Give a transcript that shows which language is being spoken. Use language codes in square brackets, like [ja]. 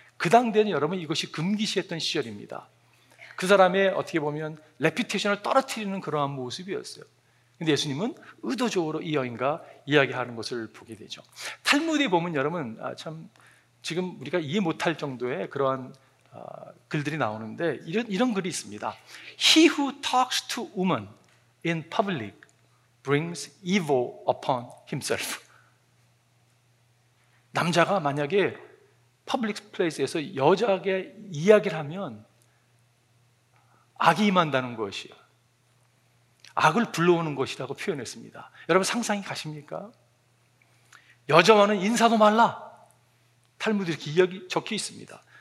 [ko] 그 당대는 여러분 이것이 금기시했던 시절입니다. 그 사람의 어떻게 보면 레퓨테이션을 떨어뜨리는 그러한 모습이었어요. 그런데 예수님은 의도적으로 이 여인과 이야기하는 것을 보게 되죠. 탈무드에 보면 여러분 참 지금 우리가 이해 못할 정도의 그러한 글들이 나오는데 이런 글이 있습니다. [en] He who talks to women in public brings evil upon himself. [ko] 남자가 만약에 public place에서 여자에게 이야기를 하면 악이 임한다는 것이요, 악을 불러오는 것이라고 표현했습니다. 여러분 상상이 가십니까? 여자와는 인사도 말라, 탈무드 이렇게 이야기 적혀 있습니다.